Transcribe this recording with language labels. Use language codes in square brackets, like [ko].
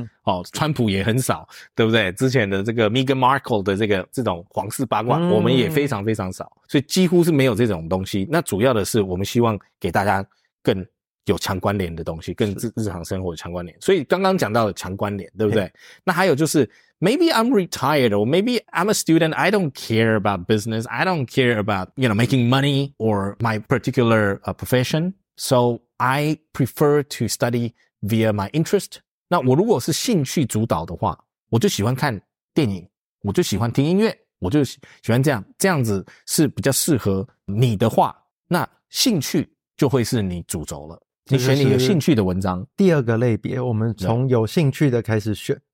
[zh] 哦，川普也很少，对不对？之前的这个 Meghan Markle 的这种皇室八卦、我们也非常非常少，所以几乎是没有这种东西。那主要的是我们希望给大家更有强关联的东西，更日常生活的强关联。所以刚刚讲到的强关联，对不对？那还有就是 [en] Maybe I'm retired or maybe I'm a student. I don't care about business. I don't care about, you know, making money or my particular profession. So I prefer to study via my interest. [zh] 那我如果是兴趣主导的话，我就喜欢看电影，我就喜欢听音乐，我就喜欢这样子是比较适合你的话，那兴趣就会是你主轴了。你选你有兴趣的文章。第二个类别，我们从有兴趣的开始选。